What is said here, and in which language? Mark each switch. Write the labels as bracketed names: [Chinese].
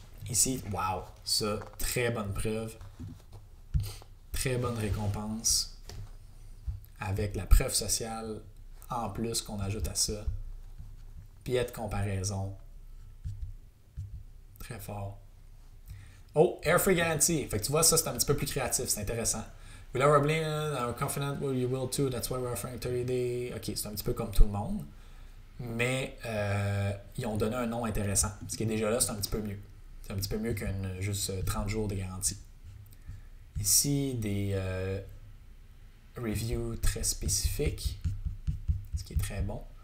[French] Ici, wow, ça, très bonne preuve, très bonne récompense, avec la preuve sociale en plus qu'on ajoute à ça, biais de comparaison, très fort. Oh, Air Free Guarantee, fait que tu vois, ça, c'est un petit peu plus créatif, c'est intéressant. [English] We love our brand, I'm confident you will too, that's why we're offering 30 days. [French] OK, c'est un petit peu comme tout le monde, mais ils ont donné un nom intéressant. Ce qui est déjà là, c'est un petit peu mieux. C'est un petit peu mieux qu'un juste 30 jours de garantie. Ici, des reviews très spécifiques, ce qui est très bon.